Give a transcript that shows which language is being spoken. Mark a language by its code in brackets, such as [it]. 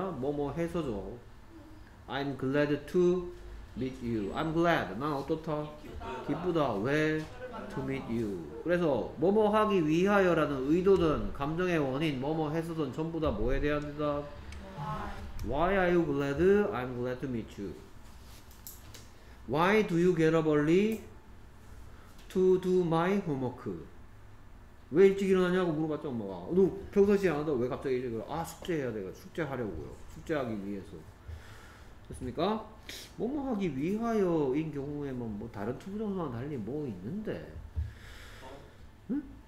[ko] 뭐뭐 해서죠. [en] I'm glad to meet you. I'm glad. [ko] 난 어떻다? 기쁘다. 왜? [en] To meet you. [ko] 그래서 뭐뭐 하기 위하여라는 의도든 감정의 원인 뭐뭐 해서든 전부 다 뭐에 대한 대답? [en] Why are you glad? I'm glad to meet you. Why do you get up early to do my homework? [ko] 왜 일찍 일어나냐고 물어봤죠 엄마가. 너 평소시에 안 한다고 왜 갑자기 일찍 일어나? 아 숙제해야 돼. 숙제하려고요. 숙제하기 위해서. 됐습니까? 뭐뭐 하기 위하여인 경우에만 뭐 다른 투부정사와 달리 뭐 있는데 응?